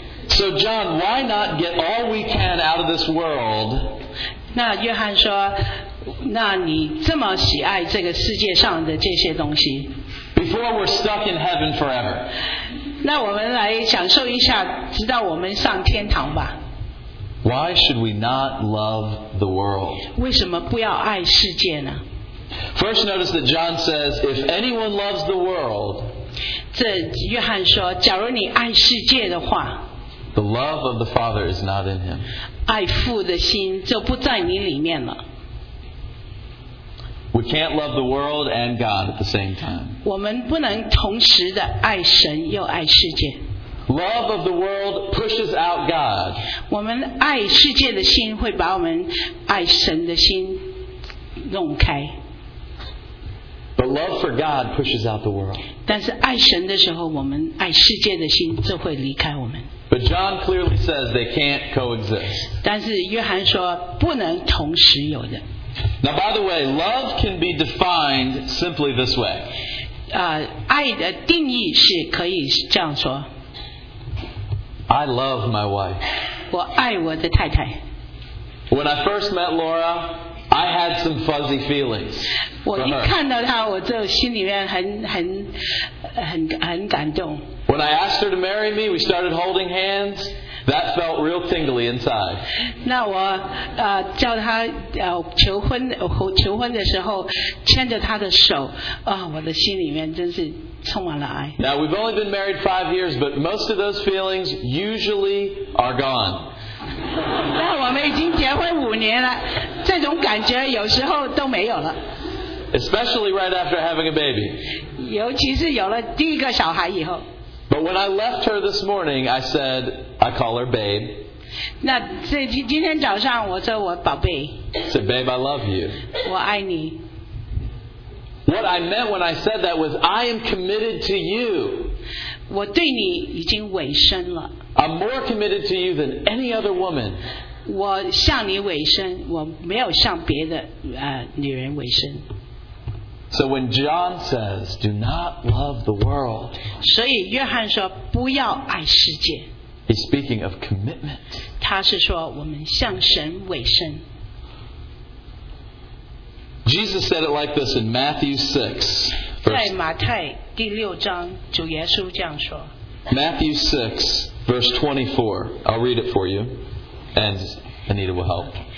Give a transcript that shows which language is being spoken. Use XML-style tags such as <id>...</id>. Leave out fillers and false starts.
<en>So John, why not get all we can out of this world?</en> <zh>那约翰说，那你这么喜爱这个世界上的这些东西。</zh> <en>Before we're stuck in heaven forever.</en> <zh>那我们来享受一下，直到我们上天堂吧。</zh> <en>Why should we not love the world?</en> <zh>为什么不要爱世界呢？</zh> <en>First, notice that John says, if anyone loves the world,</en> <zh>这约翰说，假如你爱世界的话，</zh> <en>the love of the Father is not in him.</en> <zh>爱父的心就不在你里面了。</zh> <en>We can't love the world and God at the same time.</en> <zh>我们不能同时的爱神又爱世界。</zh> <en>Love of the world pushes out God.</en> <zh>我们爱世界的心会把我们爱神的心弄开。</zh> <en>But love for God pushes out the world.</en> <zh>但是爱神的时候，我们爱世界的心就会离开我们。</zh> <en>But John clearly says they can't coexist.</en> <zh>但是约翰说不能同时有的。</zh> <en>Now, by the way, love can be defined simply this way.</en> <zh>爱的定义是可以这样说。</zh> <en>I love my wife.</en> <zh>我爱我的太太。</zh> <en>When I first met Laura, I had some fuzzy feelings.</en> <zh>我一看到她，我就心里面很感动。</zh> <en>When I asked her to marry me, we started holding hands. That felt real tingly inside.</en> <zh>那我叫他求婚的时候，牵着他的手，我的心里面真是充满了爱。</zh> <en>Now we've only been married 5 years, but most of those feelings usually are gone.</en> <zh>那我们已经结婚5年了，这种感觉有时候都没有了。</zh> <en>Especially right after having a baby.</en> <zh>尤其是有了第一个小孩以后。</zh> <en>But when I left her this morning, I said, I call her babe.</en> <zh>那这今天早上我说我宝贝。</zh> <en>I said, babe, I love you.</en> <zh>我爱你。</zh> <en>What I meant when I said that was, I am committed to you.</en> <zh>我对你已经委身了。</zh> <en>I'm more committed to you than any other woman.</en> <zh>我向你委身，我没有向别的女人委身。</zh> <en>So when John says, "Do not love the world,"</en> <zh>所以约翰说不要爱世界。</zh> <en>He's speaking of commitment.</en> <zh>他是说我们向神委身。</zh> <en>Jesus said it like this in Matthew 6.</en> <zh>在马太第六章，主耶稣这样说。</zh> <en>Matthew 6, verse 24. I'll read it for you, and Anita will help.</en>